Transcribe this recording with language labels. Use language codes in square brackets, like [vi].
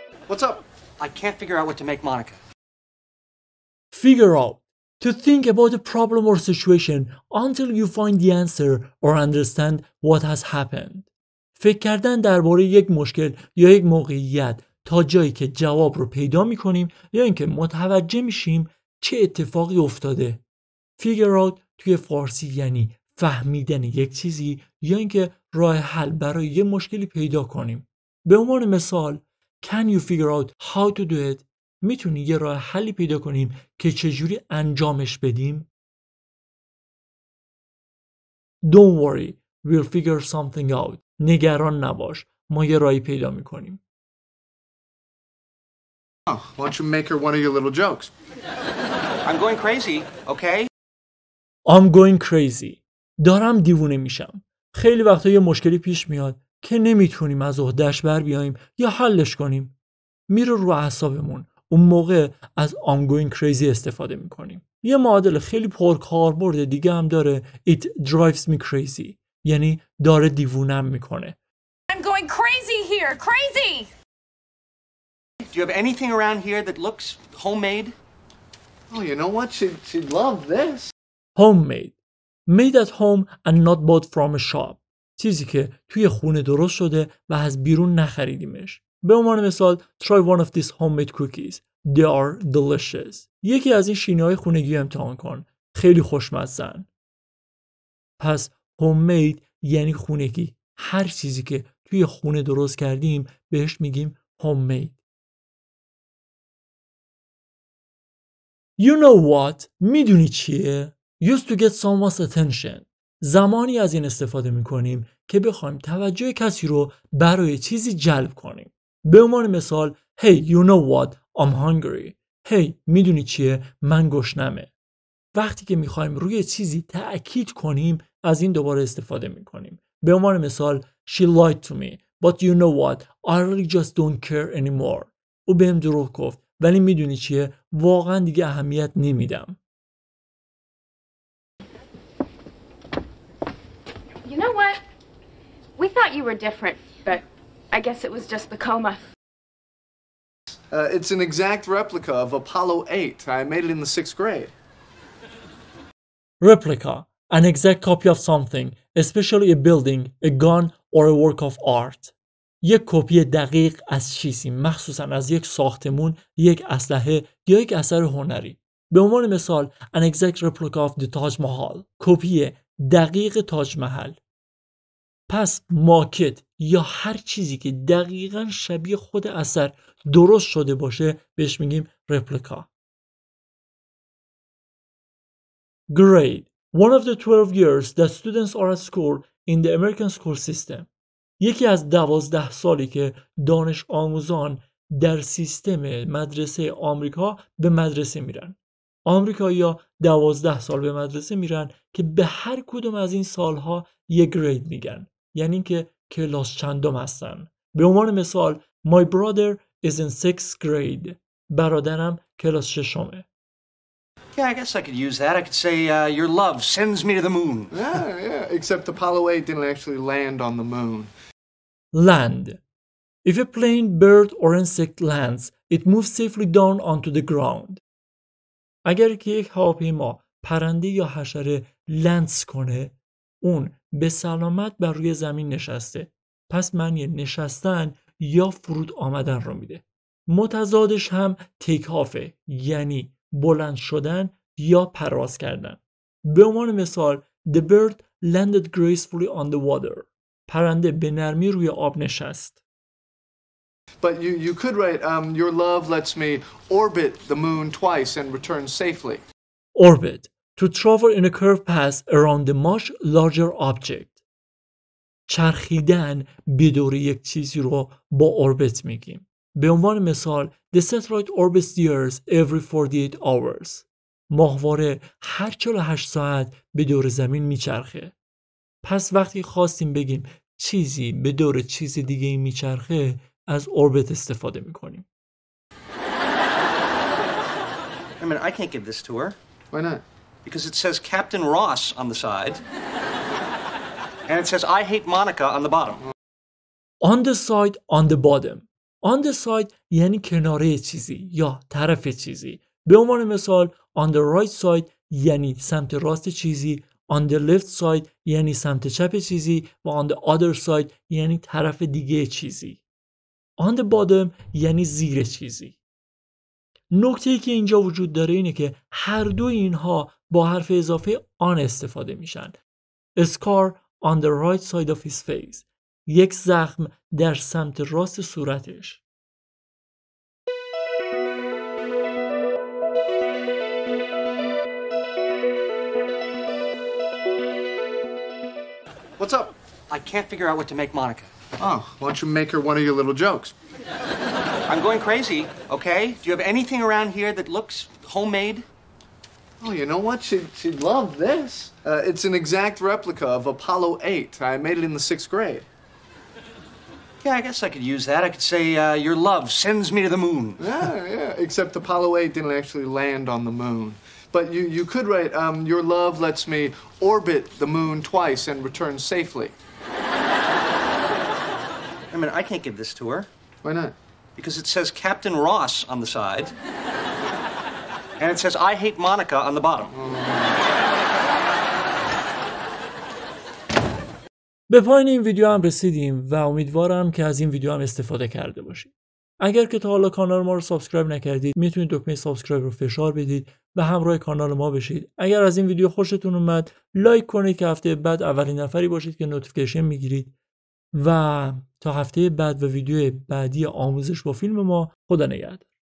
[en] What's up? I can't figure out what to make Monica. Figure out. To think about a problem or situation until you find the answer or understand what has happened. [fa] فکر کردن درباره یک مشکل یا یک موقعیت تا جایی که جواب رو پیدا می کنیم یا اینکه متوجه می شیم چه اتفاقی افتاده. Figure out توی فارسی یعنی فهمیدن یک چیزی یا اینکه راه حل برای یک مشکلی پیدا کنیم. به عنوان مثال [en] Can you figure out how to do it؟ [fa] می تونی یه راه حلی پیدا کنیم که چجوری انجامش بدیم؟ [en] Don't worry, we'll figure something out. [fa] نگران نباش، ما یه راهی پیدا می‌کنیم. [en] Why don't you make her one of your little jokes? I'm going crazy, okay? I'm going crazy. [fa] دارم دیوونه میشم. خیلی وقتا یه مشکلی پیش میاد که نمیتونیم از عهده‌اش بر بیاییم یا حلش کنیم. میره رو اعصابمون. اون موقع از I'm going crazy استفاده می‌کنیم. یه معادل خیلی پرکاربرد دیگه هم داره. [en] It drives me crazy. [fa] یعنی داره دیوونم میکنه. [en] I'm going crazy here. Crazy. Do you have anything around here that looks homemade? Oh, you know what? She'd love this. Homemade. Made at home and not bought from a shop. [fa] چیزی که توی خونه درست شده و از بیرون نخریدیمش. به عنوان مثال, [en] try one of these homemade cookies. They are delicious. [fa] یکی از این شیرینی‌های خونگی امتحان کن. خیلی خوشمزه‌ن. پس homemade یعنی خونگی. هر چیزی که توی خونه درست کردیم بهش میگیم homemade. [en] You know what? [fa] میدونی چیه؟ [en] Used to get someone's attention. [fa] زمانی از این استفاده میکنیم که بخوایم توجه کسی رو برای چیزی جلب کنیم. به عنوان مثال [en] Hey, you know what? I'm hungry. [fa] Hey, میدونی چیه؟ من گشنمه. وقتی که میخوایم روی چیزی تأکید کنیم از این دوباره استفاده میکنیم. به عنوان مثال [en] She lied to me, but you know what? I really just don't care anymore. [fa] او بهم دروغ گفت ولی میدونی چیه؟ واقعا دیگه اهمیت نمیدم. [en] You know what? We thought you were different, but I guess it was just the coma. It's an exact replica of Apollo 8. I made it in the sixth grade. Replica, an exact copy of something, especially a building, a gun, or a work of art. [fa] یک کپی دقیق از چیزی، مخصوصا از یک ساختمون، یک اسلحه یا یک اثر هنری. به عنوان مثال, [en] an exact replica of the Taj Mahal. [fa] کپی دقیق تاج محل. پس ماکت یا هر چیزی که دقیقا شبیه خود اثر درست شده باشه بهش میگیم replica. [en] Grade. One of the 12 years that students are at school in the American school system. [fa] یکی از 12 سالی که دانش آموزان در سیستم مدرسه آمریکا به مدرسه میرن. آمریکایی‌ها 12 سال به مدرسه میرن که به هر کدوم از این سالها یک گرید میگن. یعنی که کلاس چندم هستن. به عنوان مثال [en] My brother is in 6th grade. [fa] برادرم کلاس ششمه. [en] Yeah, I guess I could use that. I could say your love sends me to the moon. Yeah, except Apollo 8 didn't actually land on the moon. Land. If a plane, bird, or insect lands, it moves safely down onto the ground. [fa] اگر که یک هواپیما پرنده یا حشره لندز کنه، اون به سلامت بر روی زمین نشسته. پس معنی نشستن یا فرود آمدن رو میده. متضادش هم تیک آفه، یعنی بلند شدن یا پرواز کردن. به عنوان مثال [en] The bird landed gracefully on the water. [fa] پرنده به نرمی روی آب نشست. [en] But you could write your love lets me orbit the moon twice and return safely. Orbit. To travel in a curved path around a much larger object. [fa] چرخیدن به دور یک چیزی رو با اوربیت میگیم. به عنوان مثال [en] The satellite orbits the earth every 48 hours. [fa] ماهواره هر 48 ساعت به دور زمین میچرخه. پس وقتی خواستیم بگیم چیزی به دور چیز دیگه میچرخه از اوربیت استفاده میکنیم. [en] I mean, I can't give this to her. Why not? Because it says Captain Ross on the side. And it says I hate Monica on the bottom. On the side, on the bottom. [fa] On the side یعنی کناره چیزی یا طرف چیزی. به عنوان مثال On the right side یعنی سمت راست چیزی. On the left side یعنی سمت چپ چیزی. و On the other side یعنی طرف دیگه چیزی. On the bottom یعنی زیر چیزی. نکته ای که اینجا وجود داره اینه که هر دوی اینها با حرف اضافه on استفاده میشن. [en] A scar on the right side of his face. [fa] یک زخم در سمت راست صورتش. [en] What's up? I can't figure out what to make Monica. Oh, why don't you make her one of your little jokes? I'm going crazy, okay? Do you have anything around here that looks homemade? Oh, you know what? She'd love this. It's an exact replica of Apollo 8. I made it in the 6th grade. Yeah, I guess I could use that. I could say, your love sends me to the moon. Yeah, except Apollo 8 didn't actually land on the moon. But you could write, your love lets me orbit the moon twice and return safely. I mean, I can't give this to her. Why not? Because it says Captain Ross on the side. And it says, I hate Monica on the bottom. [fa] به پایین این ویدیو هم رسیدیم و امیدوارم که از این ویدیو هم استفاده کرده باشید. اگر که تا حالا کانال ما رو سابسکرایب نکردید، میتونید دکمه سابسکرایب رو فشار بدید و همراه کانال ما بشید. اگر از این ویدیو خوشتون اومد، لایک کنید که هفته بعد اولین نفری باشید که نوتیفیکیشن میگیرید و تا هفته بعد و ویدیو بعدی آموزش با فیلم ما خدا نگهدار.